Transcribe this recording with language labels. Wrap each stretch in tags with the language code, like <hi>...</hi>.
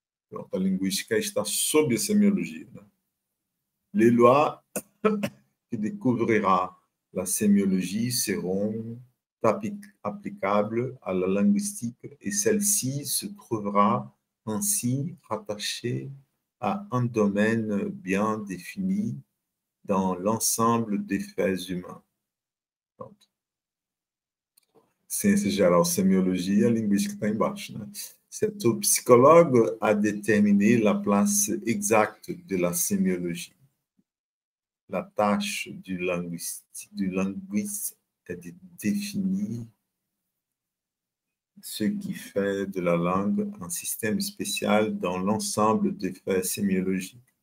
<fr>Donc, la linguistique est sous la sémiologie. Né? Les lois que découvrira la sémiologie seront applicables à la linguistique et celle-ci se trouvera ainsi rattachée à un domaine bien défini dans l'ensemble des faits humains.</fr> <pt>Donc, ciência geral, sémiologie, a linguística está embaixo, né?</pt> <fr>Cet psychologue a déterminé la place exacte de la sémiologie. La tâche du linguiste est de définir ce qui fait de la langue un système spécial dans l'ensemble des faits sémiologiques.</fr>